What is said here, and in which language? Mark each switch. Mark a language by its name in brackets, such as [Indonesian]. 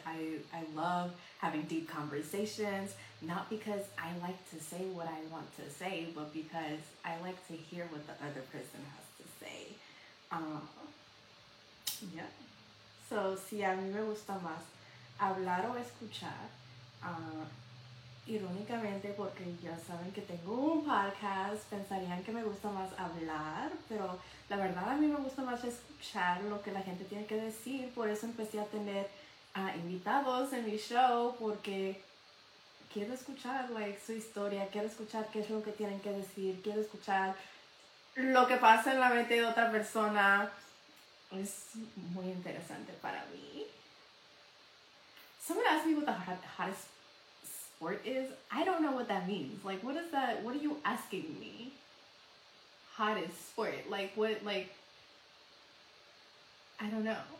[English] I love having deep conversations, not because I like to say what I want to say, but because I like to hear what the other person has to say. [Spanish] So si a mí me gusta más hablar o escuchar, irónicamente porque ya saben que tengo un podcast, pensarían que me gusta más hablar, pero la verdad a mí me gusta más escuchar lo que la gente tiene que decir. Por eso empecé a tener invitados en mi show, porque quiero escuchar like su historia, quiero escuchar qué es lo que tienen que decir, quiero escuchar lo que pasa en la mente de otra persona. Es muy interesante para mí. [English] Someone asked me what the hottest sport is. I don't know what that means. Like, what is that? What are you asking me? Hottest sport. Like, what, like, I don't know.